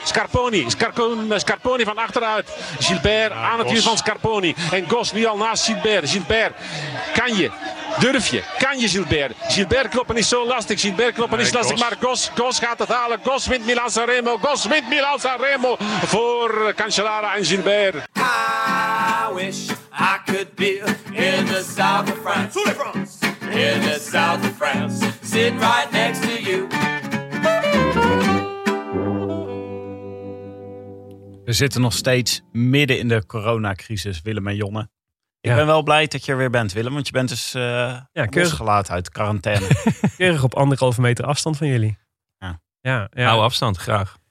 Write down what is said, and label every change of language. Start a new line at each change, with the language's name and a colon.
Dutch: Scarponi van achteruit. Gilbert aan het wiel van Scarponi. En Goss nu al naast Gilbert. Gilbert, kan je? Durf je? Kan je Gilbert? Gilbert kloppen is zo lastig. Maar Goss gaat het halen. Goss wint Milaan-San Remo. Voor Cancellara en Gilbert.
English: I wish I could be in the south of France. Sous les France. In the south of France. Sitting right next to you.
Dutch: We zitten nog steeds midden in de coronacrisis, Willem en Jonne. Ik ben wel blij dat je er weer bent, Willem, want je bent dus losgelaten uit quarantaine. Keurig op 1,5 meter afstand van jullie. Ja. Hou afstand, graag.